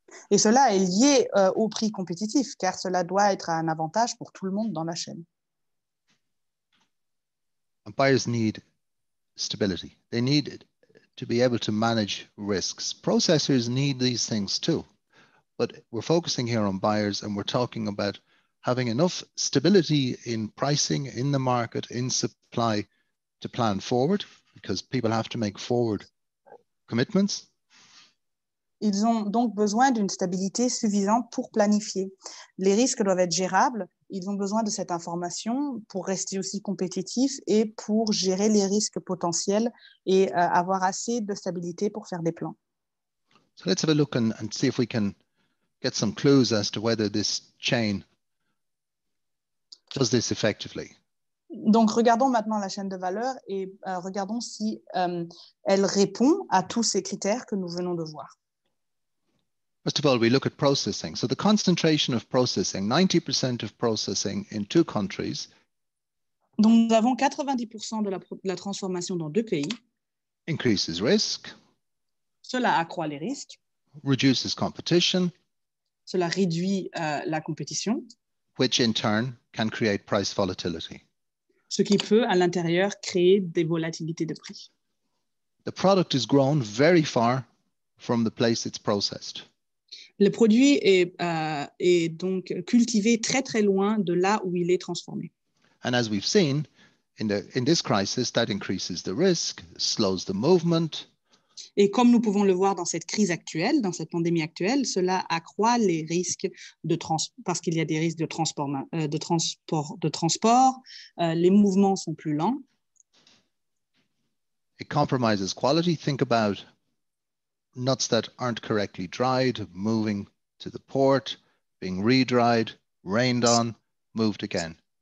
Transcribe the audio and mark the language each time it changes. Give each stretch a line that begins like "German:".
French: Et cela est lié au prix compétitif, car cela doit être un avantage pour tout le monde dans la chaîne.
English: And buyers need stability. They need to be able to manage risks. Processors need these things too. But we're focusing here on buyers and we're talking about having enough stability in pricing, in the market, in supply to plan forward, because people have to make forward commitments.
French: Ils ont donc besoin d'une stabilité suffisante pour planifier. Les risques doivent être gérables. Ils ont besoin de cette information pour rester aussi compétitifs et pour gérer les risques potentiels et avoir assez de stabilité pour faire des plans.
English: So let's have a look and see if we can get some clues as to whether this chain does this effectively.
French: Donc, regardons maintenant la chaîne de valeur et regardons si elle répond à tous ces critères que nous venons de voir.
English: First of all, we look at processing. So the concentration of processing, 90% of processing in two countries.
French: Donc, nous avons 90% de la transformation dans deux pays.
English: Increases risk.
French: Cela accroît les risques.
English: Reduces competition.
French: Cela réduit la compétition.
English: Which in turn can create price volatility.
French: Ce qui peut, à l'intérieur, créer des volatilités de prix.
English: The product is grown very far from the place it's processed.
French: Le produit est donc cultivé très, très loin de là où il est transformé.
English: And as we've seen, in this crisis, that increases the risk, slows the movement.
French: Et comme nous pouvons le voir dans cette crise actuelle, dans cette pandémie actuelle, cela accroît les risques de parce qu'il y a des risques de transport, les mouvements sont plus lents.
English: It compromises quality. Think about nuts that aren't correctly dried, moving to the port, being re-dried, rained on, moved again.